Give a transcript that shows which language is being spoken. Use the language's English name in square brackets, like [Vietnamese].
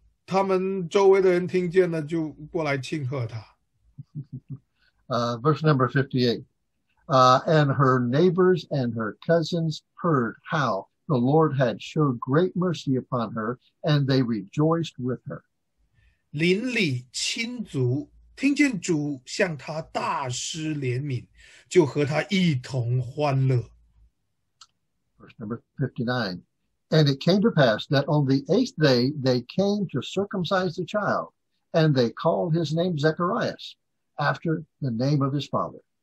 [Chinese] 他们周围的人听见了就过来庆贺他。 [English] Verse number 58. And her neighbors and her cousins heard how the Lord had showed great mercy upon her, and they rejoiced with her. [Chinese] 邻里亲族听见主向他大施怜悯，就和他一同欢乐。 [English] Verse number 59. And it came to pass that on the eighth day they came to circumcise the child, and they called his name Zacharias, after the name of his father.